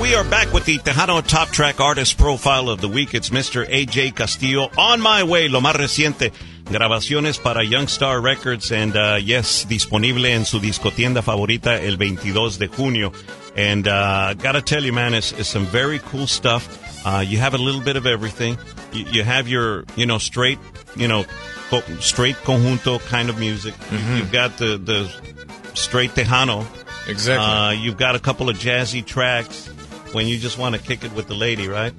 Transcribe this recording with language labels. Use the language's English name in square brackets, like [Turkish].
[English] We are back with the Tejano Top Track Artist Profile of the Week. It's Mr. AJ Castillo. [Spanish] On My Way, lo más reciente. Grabaciones para Young Star Records. [English] And yes, [Spanish] disponible en su discotienda favorita el 22 de junio. [English] And gotta tell you, man, it's some very cool stuff. You have a little bit of everything. You have your, you know, straight, you know, straight conjunto kind of music. Mm-hmm. You've got the straight Tejano. Exactly. You've got a couple of jazzy tracks when you just want to kick it with the lady, right?